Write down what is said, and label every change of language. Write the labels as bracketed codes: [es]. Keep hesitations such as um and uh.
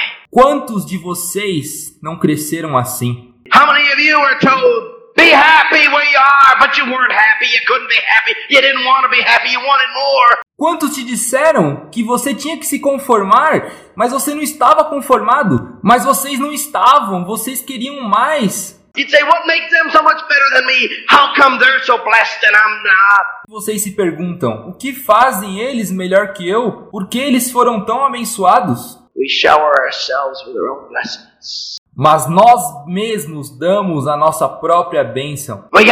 [pt] Quantos de vocês não cresceram assim? [en] How many of you were told Be happy where you are, but you weren't happy, you couldn't be happy, you didn't want to be happy, you wanted more. [pt] Quantos disseram que você tinha que se conformar, mas você não estava conformado, mas vocês não estavam, vocês queriam mais. [en] You'd say, what makes them so much better than me? How come they're so blessed and I'm not? [pt] Vocês se perguntam, o que fazem eles melhor que eu? Por que eles foram tão abençoados? [en] We shower ourselves with our own blessings [pt] mas nós mesmos damos a nossa própria bênção.